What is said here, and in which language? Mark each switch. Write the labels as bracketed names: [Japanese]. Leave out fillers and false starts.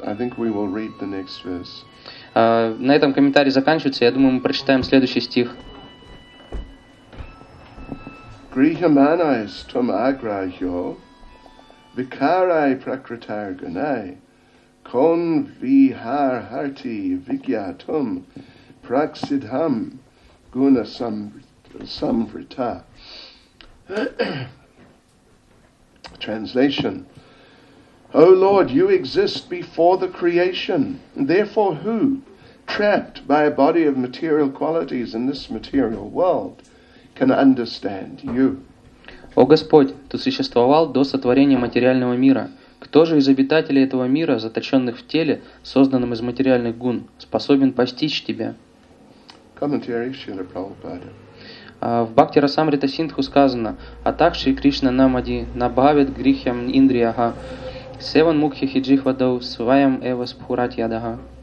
[English] I think we will read the next verse. [Russian] На этом комментарий заканчивается. Я думаю, мы прочитаем следующий стих. [Sanskrit] Grihamanais tum agrahyo vikarai prakritar gunai kon vihar harti vigyatum praksidham guna samvrita. [English] Translation. O Lord, you exist before the creation. Therefore who, trapped by a body of material qualities in this material world, can understand you. [Russian] О Господь, Ты существовал до сотворения материального мира. Кто же из обитателей этого мира, заточенных в теле, созданном из материальных гун, способен постичь Тебя? [English] Commentary Srila Prabhupada. [Russian] В Бхакти Расамрита Синдху сказано: [Sanskrit] «Атах Шри Кришна намади набхавит грихям индрияха севан мукхи хиджихвадау сваям эва спхуратьядага».